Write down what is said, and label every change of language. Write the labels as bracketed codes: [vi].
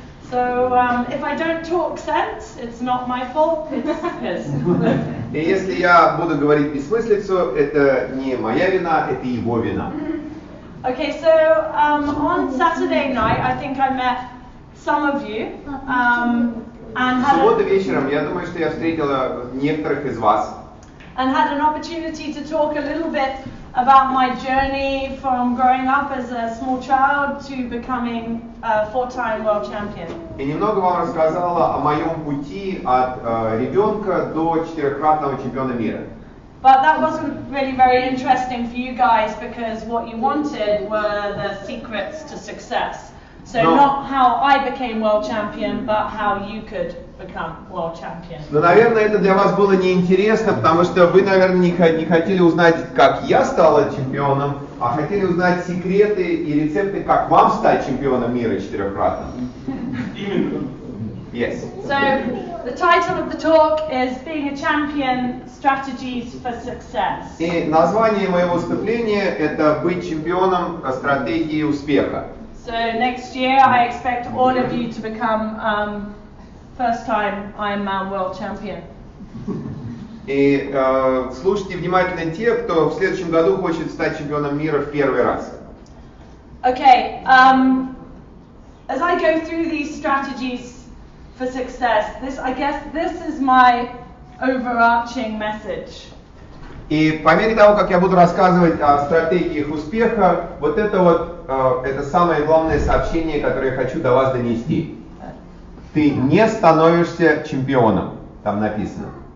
[en] So if I don't talk sense, it's not my fault, it's his. [ru] И если я буду говорить бессмыслицу, это не моя вина, это его вина. [en] Okay, so on Saturday night, I think I met some of you. [ru] В субботу вечером, я думаю, что я встретила некоторых из вас. [en] And had an opportunity to talk a little bit about my journey from growing up as a small child to becoming a four-time world champion. [ru] И немного вам рассказала о моем пути от ребенка до четырехкратного чемпиона мира. [en] But that wasn't really very interesting for you guys because what you wanted were the secrets to success. So not how I became world champion, but how you could become world champion. [ru] Но, наверное, это для вас было неинтересно, потому что вы, наверное, не хотели узнать, как я стала чемпионом, а хотели узнать секреты и рецепты, как вам стать чемпионом мира четырехкратно. Именно. [en] Yes. So the title of the talk is Being a Champion: Strategies for Success. [ru] И название моего выступления это Быть чемпионом: Стратегии успеха. [en] So next year I expect all of you to become first time Ironman world champion. [ru] И слушайте внимательно те, кто в следующем году хочет стать чемпионом мира в первый раз. [en] Okay, as I go through these strategies for success, this is my overarching message. [ru] И по мере того, как я буду рассказывать о стратегиях успеха, вот это вот это самое главное сообщение, которое я хочу до вас донести. Ты не становишься чемпионом, там написано.